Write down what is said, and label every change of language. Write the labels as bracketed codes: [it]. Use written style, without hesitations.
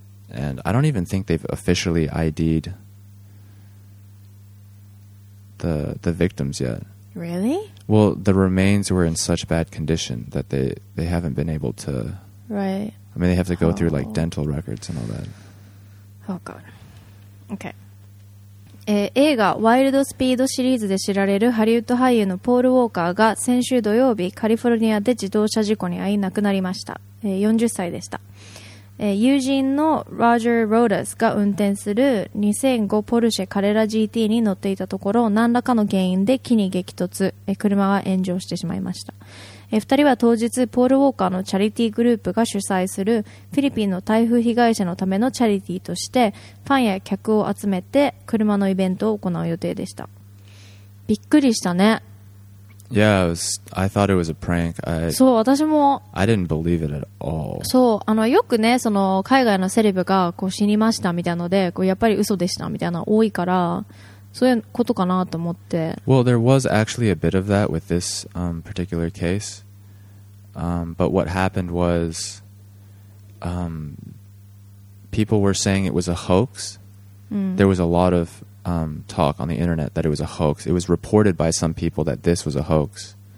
[en] And I don't even think they've officially ID'd the victims yet. Really? Well, the remains were in such bad condition that they haven't been able to... Right. I mean, they have to go through, like, dental records and all that. Oh, God. Okay. [ja] 映画ワイルドスピードシリーズで知られるハリウッド俳優のポール・ウォーカーが先週土曜日、カリフォルニアで自動車事故に遭い亡くなりました。40歳でした。友人のロジャー・ロダスが運転する2005ポルシェカレラ GT に乗っていたところ何らかの原因で木に激突、車が炎上してしまいました。 2人は当日ポール・ウォーカーのチャリティーグループが主催するフィリピンの台風被害者のためのチャリティーとしてファンや客を集めて車のイベントを行う予定でした。びっくりしたね。 [en] Yeah, it was, I thought it was a prank. [ja] そう、私も。 [en] I didn't believe it at all. [ja] そう、あの、よくね、その、海外のセレブが、こう、死にましたみたいので、こう、やっぱり嘘でしたみたいな、多いから、そういうことかなと思って。 [en] Well, there was actually a bit of that with this, particular case. But what happened was, people were saying it was a hoax. There was a lot of, talk on the internet that it was a hoax. It was reported by some people that this was a hoax.